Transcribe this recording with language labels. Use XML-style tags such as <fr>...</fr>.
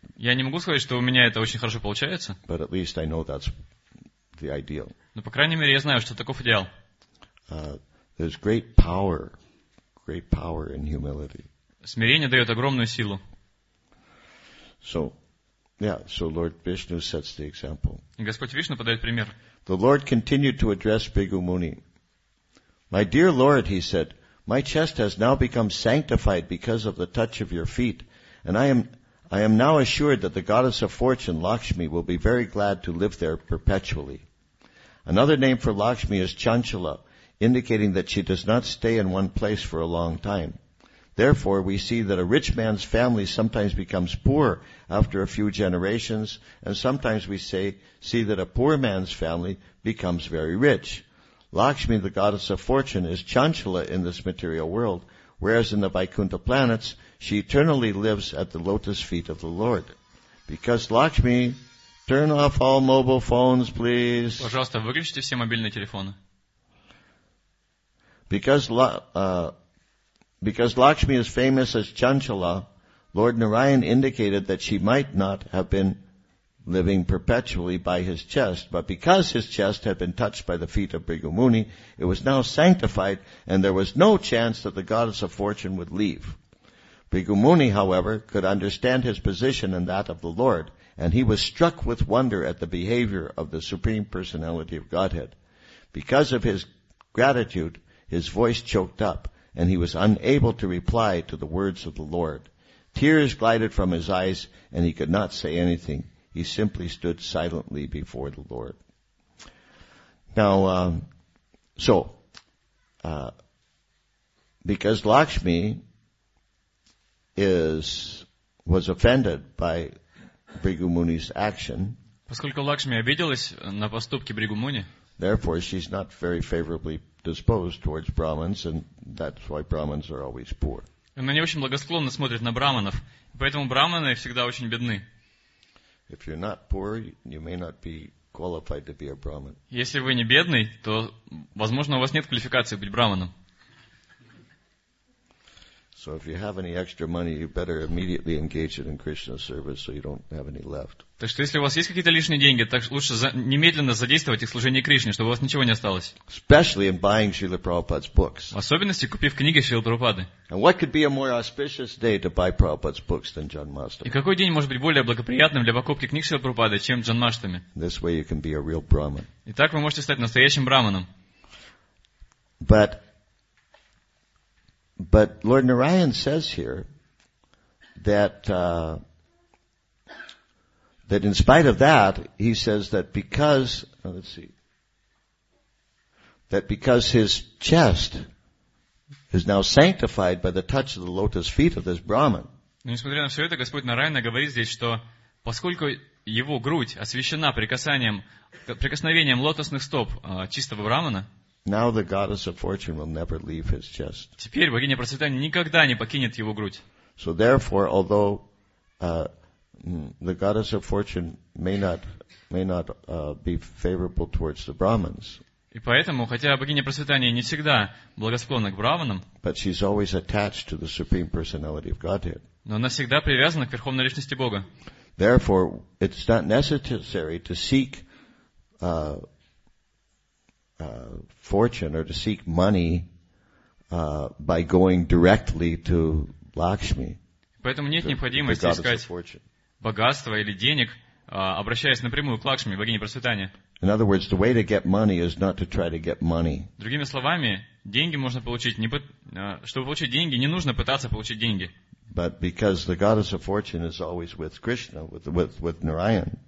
<ru>Я не могу сказать, что у меня это очень хорошо получается.</ru> <en>But at least I know that's the ideal.</en> <ru>Но по крайней мере я знаю, что таков идеал.</ru> <en>There's great power in humility.</en> <ru>Смирение дает огромную силу.</ru> <en>So Lord Vishnu sets the example.</en> <ru>И Господь Вишну подает пример.</ru> <en>The Lord continued to address Bhrigu Muni. My dear Lord, he said, my chest has now become sanctified because of the touch of your feet, and I am now assured that the goddess of fortune, Lakshmi, will be very glad to live there perpetually. Another name for Lakshmi is Chanchala, indicating that she does not stay in one place for a long time. Therefore, we see that a rich man's family sometimes becomes poor after a few generations, and sometimes we see that a poor man's family becomes very rich. Lakshmi, the goddess of fortune, is Chanchala in this material world, whereas in the Vaikuntha planets, she eternally lives at the lotus feet of the Lord. Because Lakshmi, turn off all mobile phones, please.</en> <ru>Пожалуйста, выключите все мобильные телефоны.</ru> <en>Because Lakshmi is famous as Chanchala, Lord Narayan indicated that she might not have been living perpetually by his chest, but because his chest had been touched by the feet of Bhrigu Muni, it was now sanctified, and there was no chance that the goddess of fortune would leave. Bhrigu Muni, however, could understand his position and that of the Lord, and he was struck with wonder at the behavior of the Supreme Personality of Godhead. Because of his gratitude, his voice choked up, and he was unable to reply to the words of the Lord. Tears glided from his eyes, and he could not say anything. He simply stood silently before the Lord. Now, because Lakshmi was offended by Bhrigu Muni's action,</en> <ru>поскольку Лакшми обиделась на поступки Бригу Муни,</ru> <en>therefore, she's not very favorably disposed towards Brahmins, and that's why Brahmins are always poor.</en> <ru>Она не очень благосклонно смотрит на Брахманов, поэтому Брахманы всегда очень бедны.</ru> <en>If you're not poor, you may not be qualified to be a Brahmin.</en> <ru>Если вы не бедный, то, возможно, у вас нет квалификации быть Брахманом.</ru> <en>So if you have any extra money, you better immediately engage it in Krishna's service, so you don't have any left.</en> <ru>Так что если у вас есть какие-то лишние деньги, так лучше немедленно задействовать их в служении Кришне, чтобы у вас ничего не осталось.</ru> <en>Especially in buying Srila Prabhupada's books.</en> <ru>В особенности купив книги Шрилы Прабхупады.</ru> <en>And what could be a more auspicious day to buy Prabhupada's books than Janmashtami?</en> <ru>И какой день может быть более благоприятным для покупки книг Шрилы Прабхупады, чем Джанмаштами?</ru> <en>This way you can be a real Brahmin.</en> <ru>Итак, вы можете стать настоящим Брахманом.</ru> <en>But Lord Narayan says here that in spite of that, he says that because his chest is now sanctified by the touch of the lotus feet of this Brahman.</en> <ru>Но несмотря на все это, Господь Нараяна говорит здесь, что поскольку его грудь освящена прикосновением лотосных стоп чистого Брахмана,</ru> <en>now the goddess of fortune will never leave his chest.</en> <ru>Теперь богиня процветания никогда не покинет его грудь.</ru> <en>So therefore, although the goddess of fortune may not be favorable towards the Brahmins,</en> <ru>И поэтому, хотя богиня просветания не всегда благосклонна к браванам,</ru> <en>but she's always attached to the Supreme Personality of Godhead.</en> <ru>Но она всегда привязана к Верховной Личности Бога.</ru> <en>Therefore, it's not necessary to seek fortune or to seek money by going directly to Lakshmi.</en> <ru>Поэтому нет необходимости искать богатство или денег, обращаясь напрямую к Лакшми, богине просветания.</ru> <en>In other words, the way to get money is not to try to get money.</en> <ru>Другими словами, деньги можно получить не чтобы получить деньги, не нужно пытаться получить деньги.</ru> <en>But because the goddess of fortune is always with Krishna, with Narayan.</en>